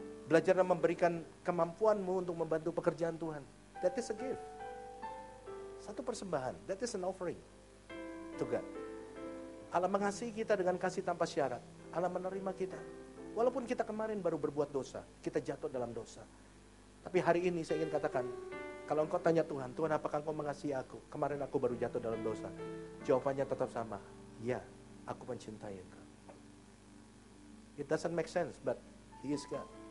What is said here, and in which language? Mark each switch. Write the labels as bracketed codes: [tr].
[id] Belajarlah memberikan kemampuanmu untuk membantu pekerjaan Tuhan. [en] That is a gift. [id] Satu persembahan. [en] That is an offering to God. [id] Allah mengasihi kita dengan kasih tanpa syarat. Allah menerima kita. Walaupun kita kemarin baru berbuat dosa, kita jatuh dalam dosa. Tapi hari ini saya ingin katakan, kalau engkau tanya Tuhan, Tuhan apakah engkau mengasihi aku? Kemarin aku baru jatuh dalam dosa. Jawabannya tetap sama. Ya, aku mencintai engkau. [en] It doesn't make sense, but He is God.